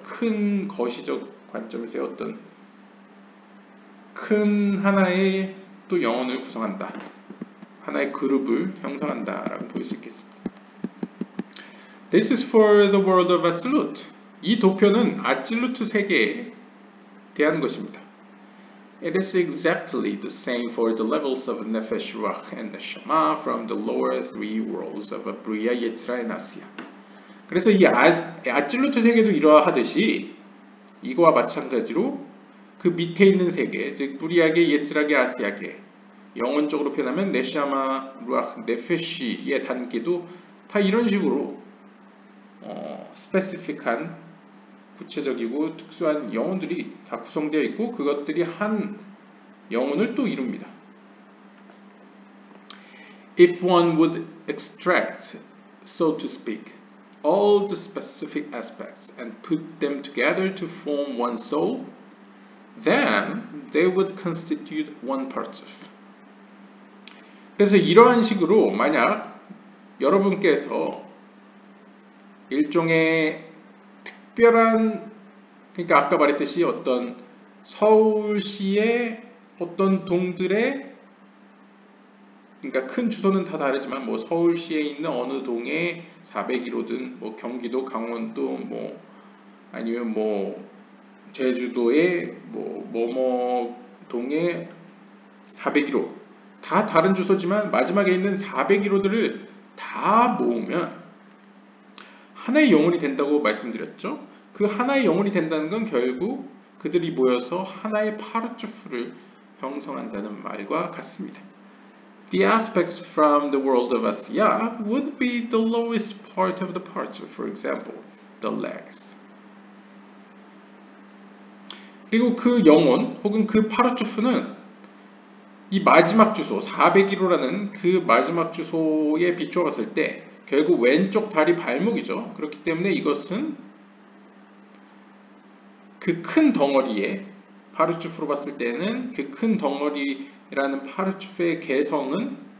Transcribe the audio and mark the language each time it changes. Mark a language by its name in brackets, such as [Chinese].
[Korean] 큰 거시적 관점에서의 어떤 큰 하나의 또 영혼을 구성한다. 하나의 그룹을 형성한다라고 볼수 있겠습니다. [English] This is for the world of Azlut. [Korean] 이 도표는 아질루트 세계에 대한 것입니다. [English] It is exactly the same for the levels of Nefesh Ruach and Neshama from the lower three worlds of Briah, Yetzirah, and Asiyah. [Korean] 그래서 이 아질루트 세계도 이러하듯이 이거와 마찬가지로 그 밑에 있는 세계, 즉 브리하게, 예츠라게, 아스야게 영혼적으로 표현하면 네시아마, 루아흐, 네페시의 단계도 다 이런 식으로 스페시픽한 구체적이고 특수한 영혼들이 다 구성되어 있고 그것들이 한 영혼을 또 이룹니다. [English] If one would extract, so to speak, all the specific aspects and put them together to form one soul, then they would constitute one part of. [Korean] 그래서 이러한 식으로 만약 여러분께서 일종의 특별한, 그러니까 아까 말했듯이 어떤 서울시의 어떤 동들의, 그러니까 큰 주소는 다 다르지만 뭐 서울시에 있는 어느 동에 401호든 뭐 경기도, 강원도, 뭐 아니면 뭐 제주도에 뭐 뭐뭐 동에 401호 다 다른 주소지만 마지막에 있는 401호들을 다 모으면 하나의 영혼이 된다고 말씀드렸죠. 그 하나의 영혼이 된다는 건 결국 그들이 모여서 하나의 파르투프를 형성한다는 말과 같습니다. [English] The aspects from the world of Asiya would be the lowest part of the parts, for example, the legs. [Korean] 그리고 그 영혼 혹은 그 파르투프는 이 마지막 주소, 401호라는 그 마지막 주소에 비추어봤을 때 결국 왼쪽 다리 발목이죠. 그렇기 때문에 이것은 그큰 덩어리에 파르투프로 봤을 때는 그큰 덩어리라는 파르투프의 개성은